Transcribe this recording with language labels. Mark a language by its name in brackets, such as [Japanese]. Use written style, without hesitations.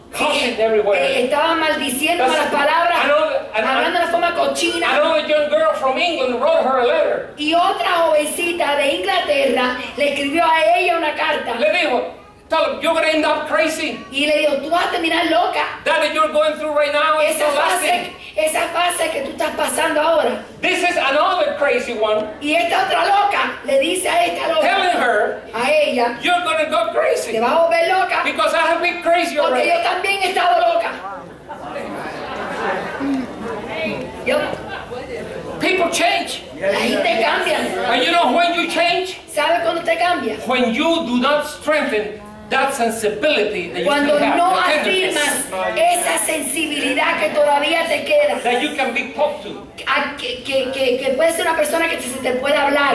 [Spanish] Estaba maldiciendo malas palabras, hablando de la forma cochina. [English] Another young girl from England wrote her a letter. [Spanish] Y otra jovencita de Inglaterra le escribió a ella una carta. Le dijo, [English] tell her, you're gonna end up crazy. [Spanish] Y le dijo, tú vas a terminar loca. [English] That you're going through right now is not lasting. [Spanish] Esa fase que tú estás pasando ahora. [English] This is another crazy one. [Spanish] Y esta otra loca le dice a esta loca. [English] Telling her. [Spanish] A ella. [English] You're gonna go crazy. [Spanish] Te vas a volver loca. [English] Because I have been crazy already. [Spanish] Porque yo también he estado loca. [English] People change. [Spanish] La gente cambia. [English] And you know when you change? [Spanish] ¿Sabe cuando te cambia? [English] When you do not strengthen that sensibility that [Spanish] cuando [English] you still [Spanish] no [English] have, [Spanish] cuando no afirmas esa sensibilidad que todavía te queda, [English] that you can be talked to, [Spanish] que puede ser una persona que se te puede hablar,